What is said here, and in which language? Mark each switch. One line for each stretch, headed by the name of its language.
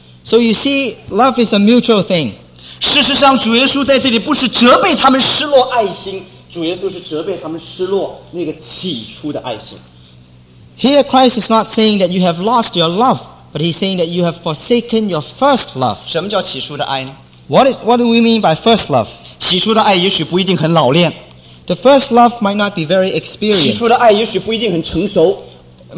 English: So you see, love is a mutual thing.
Chinese: 事实上,主耶稣在这里不是责备他们失落爱心, 主耶稣是责备他们失落那个起初的爱心。
English: Here, Christ is not saying that you have lost your love, but he's saying that you have forsaken your first love.
Chinese: 什么叫起初的爱呢?
English: What do we mean by first love?
Chinese: 起初的爱也许不一定很老练。
English: The first love might not be very experienced.
Chinese: 起初的爱也许不一定很成熟。
English: It